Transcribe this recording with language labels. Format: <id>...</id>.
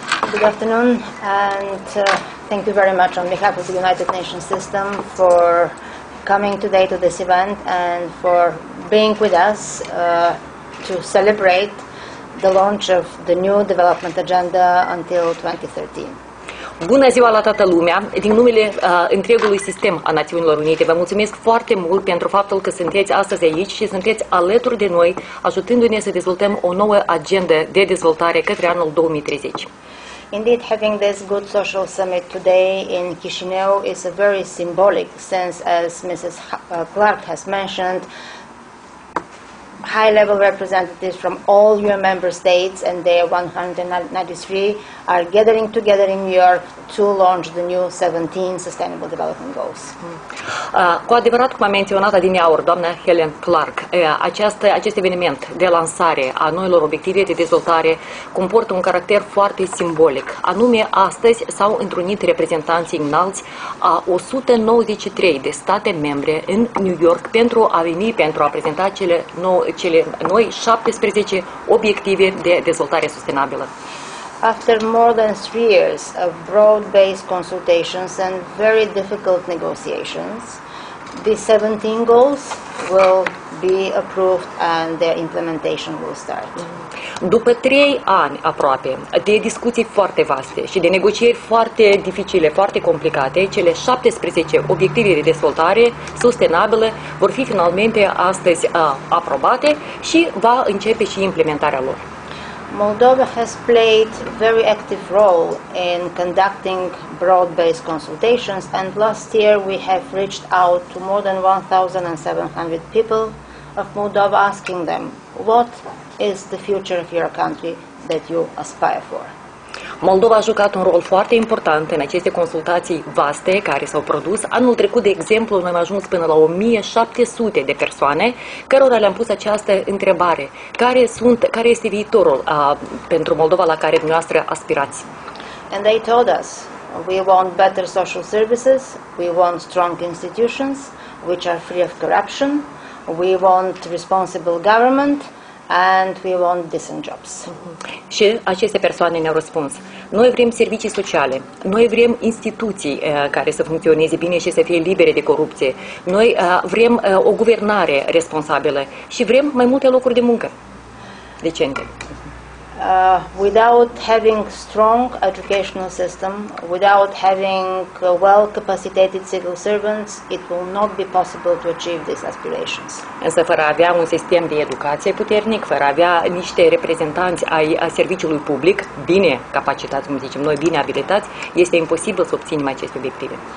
<en>Good afternoon, and thank you very much on behalf of the United Nations system for coming today to this event and for being with us to celebrate the launch of the new development agenda until 2013.</en> <ro>Bună ziua la toată lumea! Din numele întregului sistem a Națiunilor Unite, vă mulțumesc foarte mult pentru faptul că sunteți astăzi aici și sunteți alături de noi, ajutându-ne să dezvoltăm o nouă agendă de dezvoltare către anul 2030.</ro> <en>Indeed, having this good social summit today in Chișinău is a very symbolic sense, as Mrs. Clark has mentioned, high-level representatives from all UN member states and their 193 are gathering together in New York to launch the new 17 Sustainable Development Goals.</en> <ro>Cu adevărat, cum a menționat adineaur doamna Helen Clark, acest eveniment de lansare a noilor obiective de dezvoltare comportă un caracter foarte simbolic. Anume, astăzi s-au întrunit reprezentanții înalți a 193 de state membre în New York pentru a veni pentru a prezenta cele noi 17 obiective de dezvoltare sustenabilă.</ro> <en>After more than 3 years of broad-based consultations and very difficult negotiations, the 17 goals will be approved and their implementation will start.</en> <ro>După 3 ani aproape de discuții foarte vaste și de negocieri foarte dificile, foarte complicate, cele 17 obiective de dezvoltare sustenabile vor fi finalmente astăzi aprobate și va începe și implementarea lor.</ro> <en>Moldova has played a very active role in conducting broad-based consultations, and last year we have reached out to more than 1,700 people of Moldova, asking them, what is the future of your country that you aspire for?</en> <ro>Moldova a jucat un rol foarte important în aceste consultații vaste care s-au produs. Anul trecut, de exemplu, noi am ajuns până la 1700 de persoane cărora le-am pus această întrebare. Care este viitorul pentru Moldova la care dumneavoastră aspirați?</ro> <en>And they told us, we want better social services, we want strong institutions which are free of corruption, we want responsible government, and we want decent jobs.</en> <ro>Și aceste persoane ne-au răspuns. Noi vrem servicii sociale. Noi vrem instituții care să funcționeze bine și să fie libere de corupție. Noi vrem o guvernare responsabilă și vrem mai multe locuri de muncă decente.</ro> <en>Without having strong educational system, without having well capacitated civil servants, it will not be possible to achieve these aspirations.</en> <ro>Însă fără a avea un sistem de educație puternic, fără a avea niște reprezentanți ai serviciului public bine capacitați, cum zicem noi, bine abilitați, este imposibil să obținem aceste obiective.</ro>